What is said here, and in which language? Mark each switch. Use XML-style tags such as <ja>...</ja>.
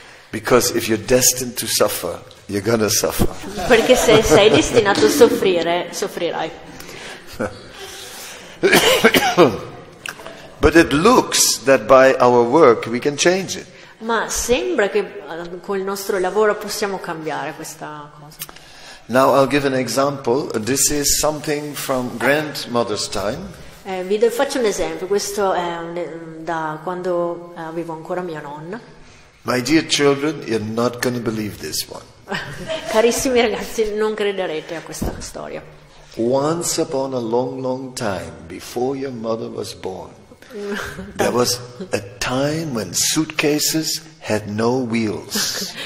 <en>Because if you're destined to suffer, you're gonna suffer.</en> <it>Perché se sei destinato a soffrire, soffrirai.</it> <en>But it looks that by our work we can change it.</en> <it>Ma sembra che col nostro lavoro possiamo cambiare questa cosa.</it> <en>Now I'll give an example. This is something from grandmother's time.</en> <it>Vi faccio un esempio. Questo è da quando avevo ancora mia nonna.</it> <en>My dear children, you're not going to believe this one.</en> <it>Carissimi ragazzi, non crederete a questa storia.</it> <en>Once upon a long, long time, before your mother was born, there was a time when suitcases had no wheels.</en>